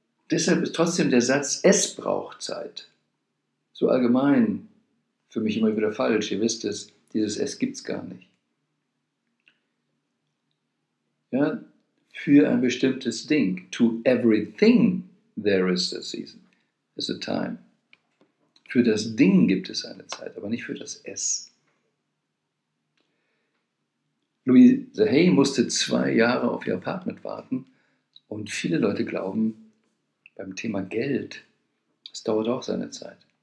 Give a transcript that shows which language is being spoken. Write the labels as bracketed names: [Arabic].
[German] Deshalb ist trotzdem der Satz, es braucht Zeit, so allgemein für mich immer wieder falsch. Ihr wisst es, dieses Es gibt es gar nicht. Ja, für ein bestimmtes Ding. [English] To everything there is a season, is a time. [German] Für das Ding gibt es eine Zeit, aber nicht für das Es. Louise Hay musste 2 Jahre auf ihr Apartment warten und viele Leute glauben, beim Thema Geld, es dauert auch seine Zeit.